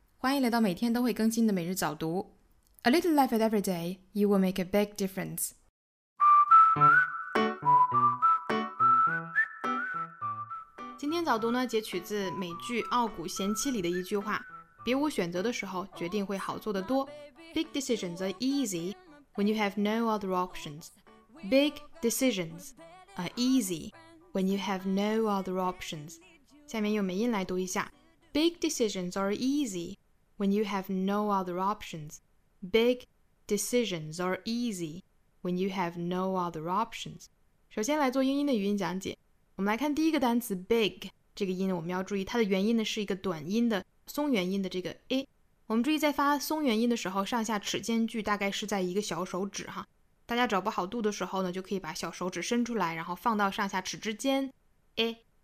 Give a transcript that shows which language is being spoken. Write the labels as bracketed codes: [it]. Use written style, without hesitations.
[zh] 欢迎来到每天都会更新的每日早读。 [en] A little life at every day, you will make a big difference. [zh] 今天早读呢，截取自美剧《傲骨贤妻》里的一句话：别无选择的时候，决定会好做得多。 [en] Big decisions are easy when you have no other options. Big decisions are easy when you have no other options. [zh] 下面用美音来读一下。 [en] Big decisions are easy when you have no other options. Big decisions are easy when you have no other options. [zh] 首先来做英音的语音讲解。我们来看第一个单词 big， 这个音我们要注意它的元音呢是一个短音的松元音的这个 a。我们注意在发松元音的时候，上下齿间距大概是在一个小手指哈。大家找不好度的时候呢，就可以把小手指伸出来，然后放到上下齿之间 ，a。